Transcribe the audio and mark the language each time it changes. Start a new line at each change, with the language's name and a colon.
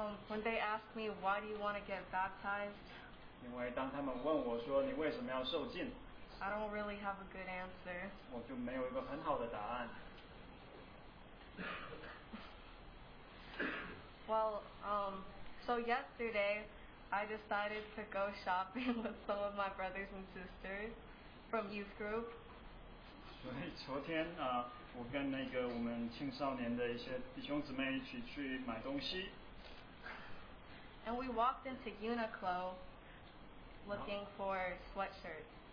English: When they asked me why do you want to get baptized?
Chinese: 因为当他们问我说你为什么要受浸
English: ？I don't really have a good answer.
Chinese: 我就没有一个很好的答案。
English: Well, So yesterday, I decided to go shopping with some of my brothers and sisters from youth group.
Chinese: 所以昨天啊，我跟那个我们青少年的一些弟兄姊妹一起去买东西。
English: And we walked into Uniqlo looking for sweatshirts.